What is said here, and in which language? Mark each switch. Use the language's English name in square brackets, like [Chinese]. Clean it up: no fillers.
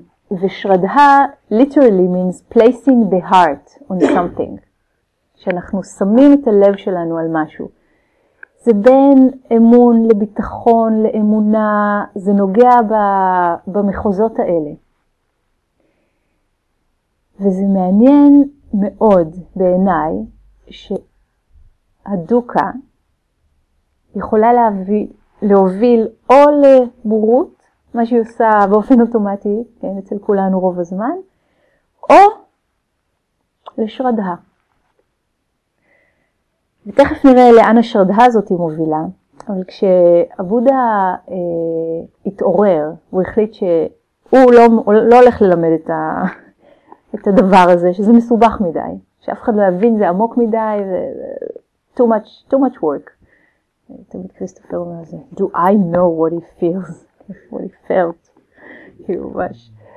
[English] ושרדה literally means placing the heart on something. [Hebrew] שאנחנו שמים את הלב שלנו על משהו. זה בין אמון לביטחון, לאמונה, זה נוגע במחוזות האלה. וזה מעניין מאוד בעיניי שהדוקה יכולה להוביל או לבורות, מה שהיא עושה באופן אוטומטי, כן, אצל כולנו רוב הזמן, או לשרדה. ותכף נראה לאן השרדה הזאת היא מובילה, אבל כשהבודה התעורר, הוא החליט שהוא לא הולך ללמד את, את הדבר הזה, שזה מסובך מדי, שאף אחד לא יבין זה עמוק מדי, [English] too much work. [Hebrew] תמיד קריסטופר אומר זה, [English] do I know what he feels, what he felt, [Hebrew] כאילו ממש.